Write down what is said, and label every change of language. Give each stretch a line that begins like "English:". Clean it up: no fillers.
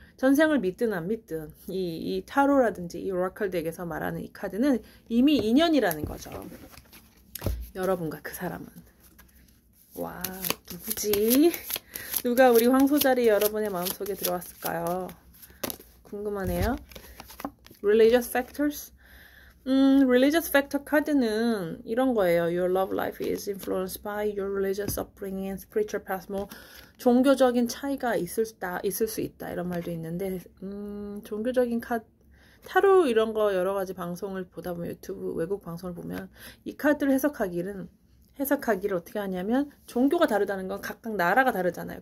Korean: 전생을 믿든 안 믿든 이 타로라든지 이 오라클들에게서 말하는 이 카드는 이미 인연이라는 거죠. 여러분과 그 사람은. 와, 누구지? 누가 우리 황소자리 여러분의 마음속에 들어왔을까요? 궁금하네요. Religious factors? Religious factor 카드는 이런 거예요.
English: Your love life is influenced by your religious upbringing and spiritual path.
Korean: 뭐, 종교적인 차이가 있을 수 있다. 이런 말도 있는데, 종교적인 카드. 타로 이런 거 여러 가지 방송을 보다 보면, 유튜브, 외국 방송을 보면, 이 카드를 해석하기를 어떻게 하냐면, 종교가 다르다는 건 각각 나라가 다르잖아요.